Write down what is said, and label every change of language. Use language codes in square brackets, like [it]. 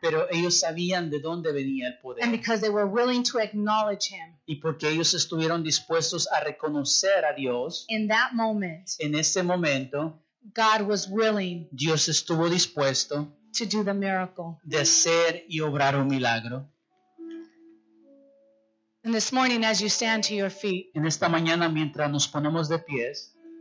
[es] Pero ellos sabían de dónde venía el poder. [en] And because they were willing to acknowledge him. [es] Y porque ellos estuvieron dispuestos a reconocer a Dios. [en] In that moment. [es] En ese momento. [en] God was willing. [es] Dios estuvo dispuesto. [en] To do the miracle. [es] De hacer y obrar un milagro. [en] And this morning, as you stand to your feet, [es] en esta mañana, mientras nos ponemos de pies,